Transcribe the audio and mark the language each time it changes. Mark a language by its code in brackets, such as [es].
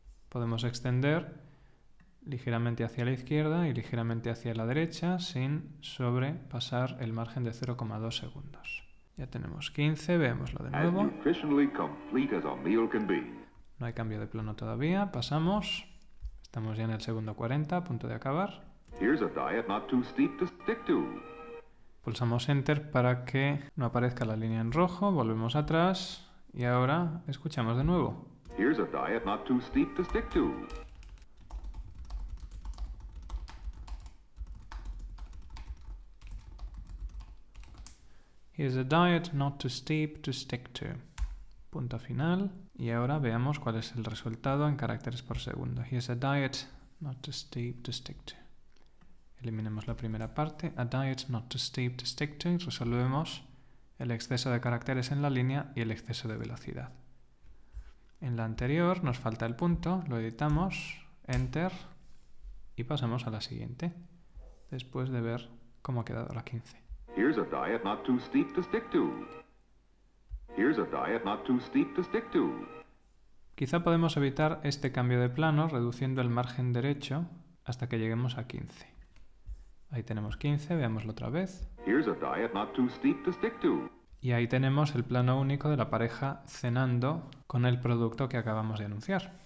[es] Podemos extender ligeramente hacia la izquierda y ligeramente hacia la derecha sin sobrepasar el margen de 0,2 segundos. Ya tenemos 15, veámoslo de nuevo. [en] As nutritionally complete as a meal can be. [es] No hay cambio de plano todavía, pasamos. Estamos ya en el segundo 40, a punto de acabar. [en] Here's a diet not too steep to stick to. [es] Pulsamos Enter para que no aparezca la línea en rojo, volvemos atrás y ahora escuchamos de nuevo. [en] Here's a diet not too steep to stick to. Here's a diet not too steep to stick to. [es] Punto final. Y ahora veamos cuál es el resultado en caracteres por segundo. [en] Here's a diet not too steep to stick to. [es] Eliminemos la primera parte. [en] A diet not too steep to stick to. [es] Resolvemos el exceso de caracteres en la línea y el exceso de velocidad. En la anterior nos falta el punto. Lo editamos. Enter. Y pasamos a la siguiente. Después de ver cómo ha quedado la 15. [en] Here's a diet not too steep to stick to. Here's a diet not too steep to stick to. [es] Quizá podemos evitar este cambio de plano reduciendo el margen derecho hasta que lleguemos a 15. Ahí tenemos 15, veámoslo otra vez. [en] Here's a diet not too steep to stick to. [es] Y ahí tenemos el plano único de la pareja cenando con el producto que acabamos de anunciar.